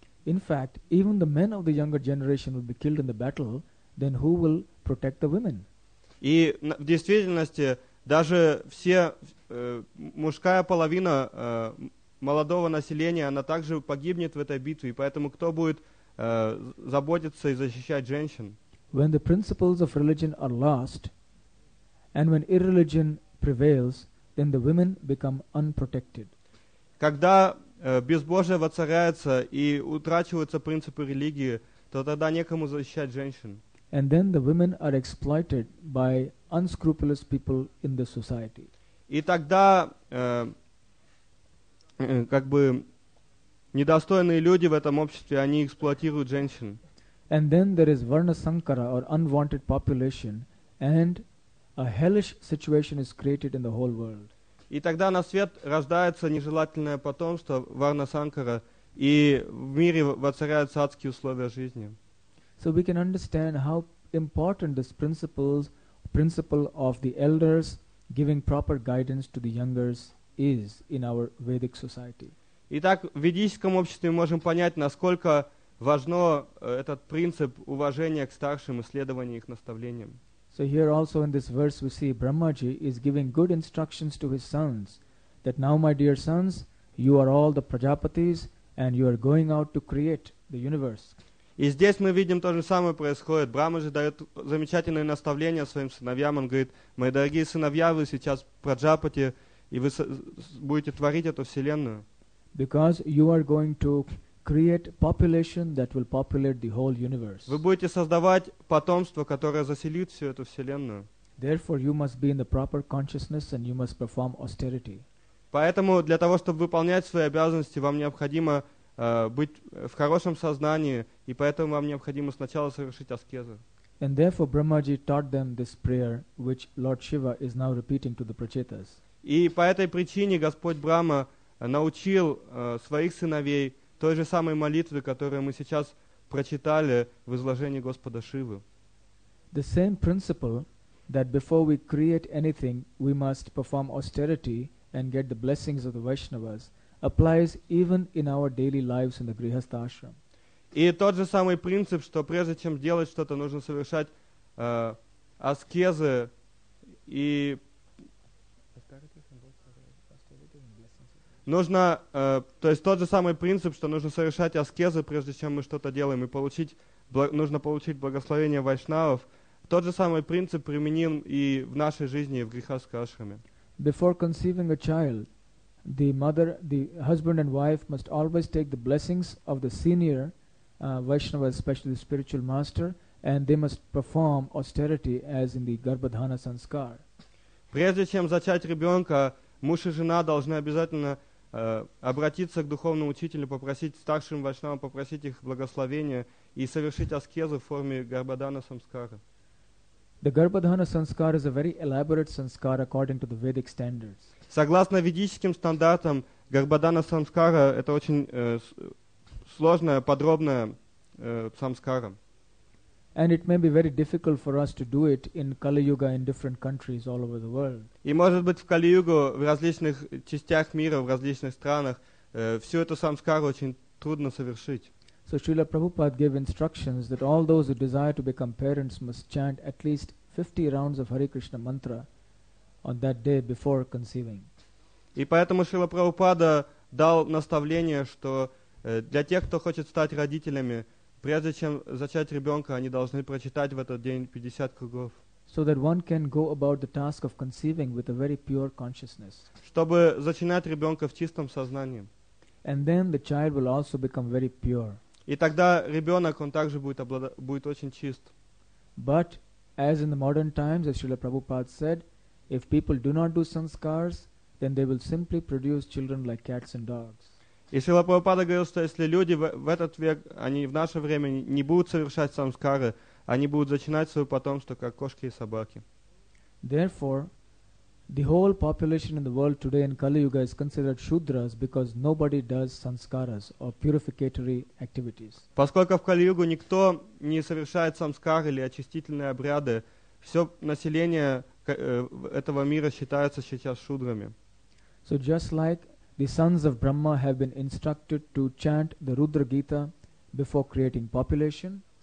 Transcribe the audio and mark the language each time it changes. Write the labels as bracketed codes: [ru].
[en] In fact, even the men of the younger generation will be killed in the battle, then who will protect the women? [ru] И в действительности, даже все мужская половина молодого населения, она также погибнет в этой битве, и поэтому кто будет заботиться и защищать женщин? [en] When the principles of religion are lost, and when irreligion prevails, then the women become unprotected. [ru] Когда безбожие воцаряется и утрачиваются принципы религии, то тогда некому защищать женщин. [en] And then the women are exploited by unscrupulous people in the society. [ru] И тогда недостойные люди в этом обществе, они эксплуатируют женщин. [en] And then there is Varna Sankara, or unwanted population, and a hellish situation is created in the whole world. [ru] И тогда на свет рождается нежелательное потомство, Варна Санкара, и в мире воцаряются адские условия жизни. [en] So we can understand how important this principle of the elders giving proper guidance to the youngers is in our Vedic society. [ru] Итак, в ведическом обществе мы можем понять, насколько важно этот принцип уважения к старшим и следования их наставлениям. [en] So here also in this verse we see Brahmaji is giving good instructions to his sons that now my dear sons, you are all the Prajapatis and you are going out to create the universe. [ru] И здесь мы видим то же самое происходит. Брамаджи дает замечательное наставление своим сыновьям. Он говорит, мои дорогие сыновья, вы сейчас Праджапати, и вы будете творить эту вселенную. [en] Because you are going to create population that will populate the whole universe. [ru] Вы будете создавать потомство, которое заселит всю эту вселенную. [en] Therefore, you must be in the proper consciousness and you must perform austerity. [ru] Поэтому для того, чтобы выполнять свои обязанности, вам необходимо быть в хорошем сознании, и поэтому вам необходимо сначала совершить аскезу. [en] And therefore Brahmaji taught them this prayer, which Lord Shiva is now repeating to the Prachetas. [ru] И по этой причине Господь Брама научил своих сыновей той же самой молитвы, которую мы сейчас прочитали в изложении Господа Шивы. [en] The same principle that before we create anything, we must perform austerity and get the blessings of the Vaishnavas applies even in our daily lives in the Grihastha Ashram. [ru] И тот же самый принцип, что прежде чем делать что-то, нужно совершать аскезы и нужно, то есть тот же самый принцип, что нужно совершать аскезы, прежде чем мы что-то делаем, и получить, нужно получить благословение вайшнавов. Тот же самый принцип применим и в нашей жизни, и в грихастха ашраме. [en] Before conceiving a child, the mother, the husband and wife must always take the blessings of the senior Vaishnava, especially the spiritual master, and they must perform austerity as in the Garbhadhana Sanskar. [ru] Прежде чем зачать ребенка, муж и жена должны обязательно обратиться к духовному учителю, попросить старшим вайшнавам, попросить их благословения и совершить аскезу в форме Garbhadhana Sanskara. [en] The Garbhadhana Sanskar is a very elaborate sanskar according to the Vedic standards. [ru] Согласно ведическим стандартам, Garbhadhana Sanskara – это очень сложная, подробная самскара. [en] And it may be very difficult for us to do it in Kali Yuga in different countries all over the world. [ru] И может быть в Кали Югу в различных частях мира, в различных странах, всю эту самскару очень трудно совершить. [en] So Srila Prabhupada gave instructions that all those who desire to become parents must chant at least 50 rounds of Hare Krishna mantra on that day before conceiving. [ru] И поэтому Шрила Прабхупада дал наставление, что для тех, кто хочет стать родителями, прежде чем зачать ребенка, они должны прочитать в этот день 50 кругов. [en] So that one can go about the task of conceiving with a very pure consciousness. [ru] Чтобы зачинать ребенка в чистом сознании. [en] And then the child will also become very pure. [ru] И тогда ребенок, он также будет очень чист. [en] But, as in the modern times, as Srila Prabhupada said, if people do not do sanskars, then they will simply produce children like cats and dogs. [ru] И Шрила Прабхупада говорил, что если люди в этот век, они в наше время не будут совершать самскары, они будут зачинать свое потомство, как кошки и собаки. [en] Therefore, the whole population in the world today in Kali Yuga is considered shudras because nobody does sanskaras or purificatory activities. [ru] Поскольку в Кали Югу никто не совершает самскары или очистительные обряды, все население этого мира считается сейчас шудрами. [en] So just like the sons of Brahma have been instructed to chant the Rudra Gita before creating population.